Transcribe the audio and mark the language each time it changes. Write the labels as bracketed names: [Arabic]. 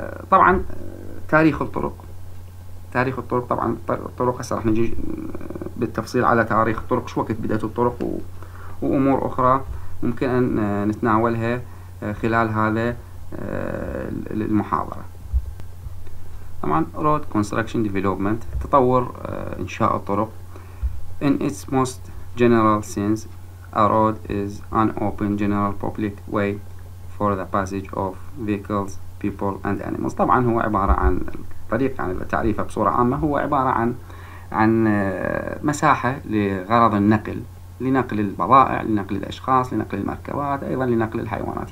[Arabic] طبعا تاريخ الطرق طبعا الطرق هسه راح نجي بالتفصيل على تاريخ الطرق، شو وقت بدات الطرق وامور اخرى ممكن ان نتناولها خلال هذا المحاضره. طبعا رود كونستراكشن ديفلوبمنت، تطور انشاء الطرق. [English] In its most general sense, a road is an open general public way for the passage of vehicles, people and animals. [Arabic] طبعا هو عباره عن الطريق، يعني تعريفه بصوره عامه هو عباره عن مساحه لغرض النقل، لنقل البضائع، لنقل الاشخاص، لنقل المركبات، ايضا لنقل الحيوانات.